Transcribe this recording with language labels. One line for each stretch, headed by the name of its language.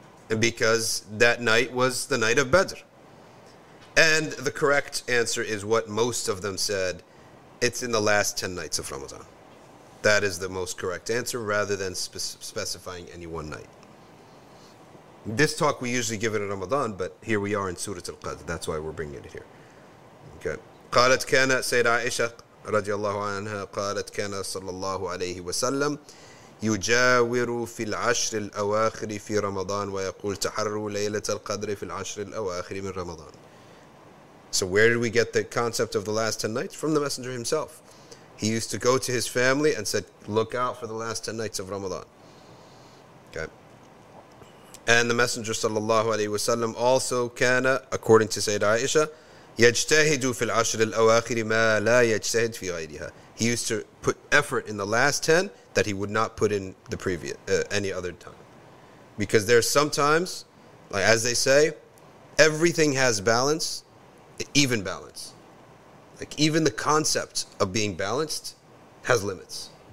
English: And because that night was the night of Badr. And the correct answer is what most of them said. It's in the last 10 nights of Ramadan. That is the most correct answer, rather than specifying any one night. This talk we usually give it in Ramadan, but here we are in Surah Al-Qadr. That's why we're bringing it here. Okay.
Arabic: قالت كان سيد عائشة رضي الله عنها قالت كان صلى الله عليه وسلم يجاور في العشر الأواخر في رمضان ويقول تحرروا ليلة القدر في العشر الأواخر من رمضان.
English: So where did we get the concept of the last 10 nights? From the messenger himself. He used to go to his family and said, look out for the last 10 nights of Ramadan. Okay. And the messenger sallallahu alayhi wa sallam also
Arabic: كان,
English: according to Sayyid Aisha,
Arabic: يجتهد في العشر الأواخر ما لا يجتهد في غيرها.
English: He used to put effort in the last 10 that he would not put in the previous any other time. Because there's sometimes, like as they say, everything has balance, even balance. Like even the concept of being balanced has limits.